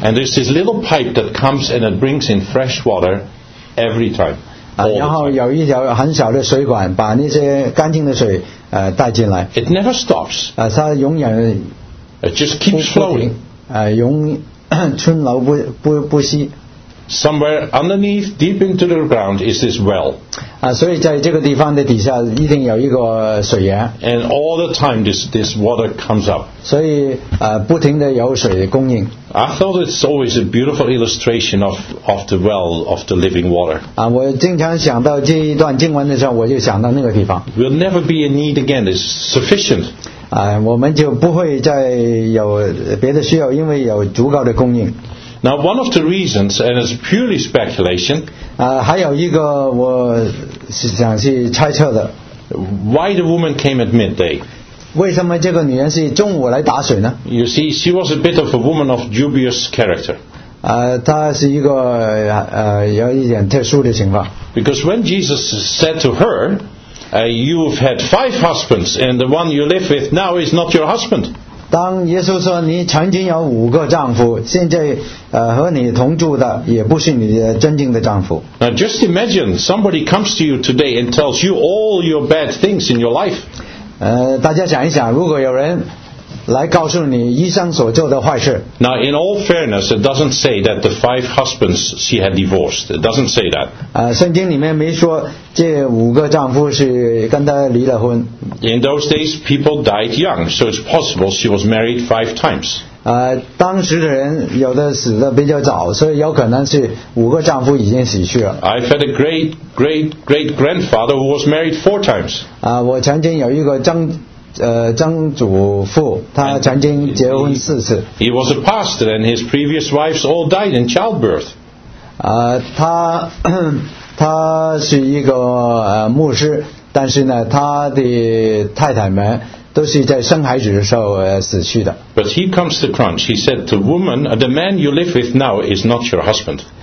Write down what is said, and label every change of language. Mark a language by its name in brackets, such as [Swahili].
[English] And there's this little pipe that comes and it brings in fresh water every time. [Chinese] 然后有一条很小的水管把那些干净的水带进来。 [English] It never stops. [Chinese] 它永远 [English] It just keeps flowing. [Chinese] 永春流不息。 [English] Somewhere underneath, deep into the ground, is this well. [Chinese] 所以在这个地方的底下一定有一个水源。 [English] And all the time this water comes up. [Chinese] 所以不停的有水供应。 [English] I thought it's always a beautiful illustration of the well of the living water. [Chinese] 我经常想到这一段经文的时候，我就想到那个地方。 [English] We'll never be in need again. It's sufficient. [Chinese] 我们就不会再有别的需要，因为有足够的供应。 [English] Now, one of the reasons, and it's purely speculation, [Chinese] 还有一个我是想去猜测的。 [English] Why the woman came at midday? [Chinese] 为什么这个女人是中午来打水呢？ [English] You see, she was a bit of a woman of dubious character. [Chinese] 她是一个有一点特殊的情况。 [English] Because when Jesus said to her, you've had five husbands, and the one you live with now is not your husband. [Chinese] 当耶稣说你曾经有五个丈夫，现在和你同住的也不是你真正的丈夫。 [English] Now just imagine somebody comes to you today and tells you all your bad things in your life. [Chinese] 大家想一想，如果有人来告诉你一生所做的坏事。 [English] Now in all fairness, it doesn't say that the five husbands she had divorced. It doesn't say that. [Chinese] 圣经里面没说这五个丈夫是跟她离了婚。 [English] In those days, people died young, so it's possible she was married five times. [Chinese] 当时的人有的死的比较早，所以有可能是五个丈夫已经死去了。 [English] I've had a great, great, great grandfather who was married four times. [Chinese] 我曾经有一个曾祖父，他曾经结婚四次。 [English] He was a pastor, and his previous wives all died in childbirth. [Chinese] 他是一个牧师，但是呢，他的太太们都是在生孩子的时候死去的。 [English] But here comes the crunch. He said, "The woman, the man you live with now, is not your husband."